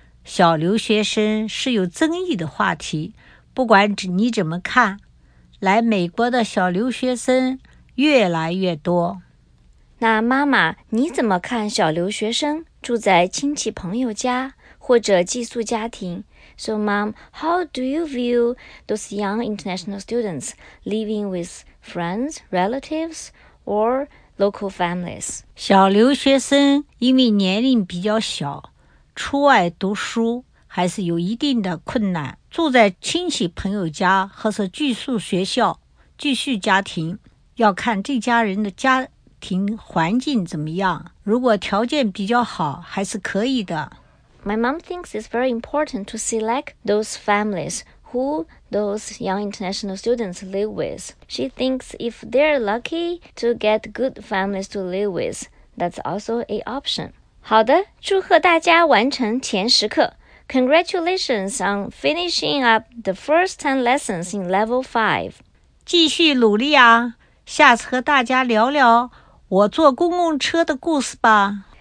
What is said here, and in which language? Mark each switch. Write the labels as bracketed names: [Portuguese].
[Chinese] 小留学生是有争议的话题，不管你怎么看，来美国的小留学生越来越多。那妈妈，你怎么看小留学生住在亲戚朋友家？或者寄宿家庭。 [English] So mom, how do you view those young international students living with friends, relatives, or local families? [Chinese] 小留学生因为年龄比较小，出外读书还是有一定的困难。住在亲戚朋友家或是寄宿学校、寄宿家庭，要看这家人的家庭环境怎么样。如果条件比较好，还是可以的。 [English] My mom thinks it's very important to select those families who those young international students live with. She thinks if they're lucky to get good families to live with, that's also an option. [Chinese] 好的，祝贺大家完成前十课。 [English] Congratulations on finishing up the first 10 lessons in level 5. [Chinese] 继续努力啊，下次和大家聊聊我坐公共车的故事吧。